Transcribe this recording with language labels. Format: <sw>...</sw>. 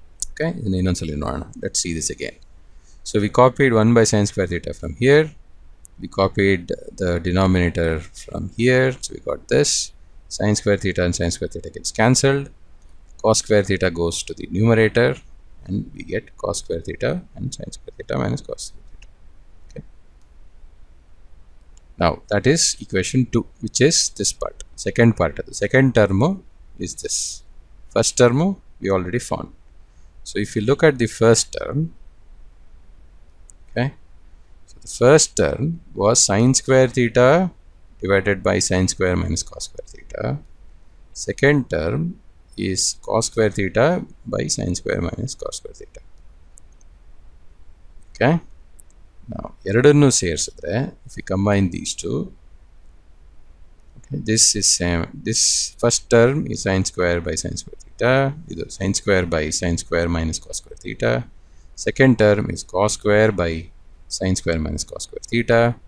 <en>okay,</en> <kn>ಇದನ್ನು ಇನ್ನೊಂದ್ಸಲ ನೋಡೋಣ.</kn> <en>Let's see this again. So we copied 1 by sine square theta from here, we copied the denominator from here, so we got this. Sine square theta and sine square theta gets cancelled, cos square theta goes to the numerator and we get cos square theta and sine square theta minus cos. Now, that is equation 2, which is this part, second part. The second term is this. First term, we already found. So, if you look at the first term, okay, so the first term was sine square theta divided by sine square minus cos square theta. Second term is cos square theta by sine square minus cos square theta. Okay.</en> <kn>ನಾವು ಎರಡನ್ನೂ ಸೇರಿಸಿದ್ರೆ</kn> <en>If you combine these two, okay, this is same. This first term ಈ sine square by sine square theta, ಇದು sine square by sine square minus cos square theta. Second term is cos square by sine square minus cos square theta.</en>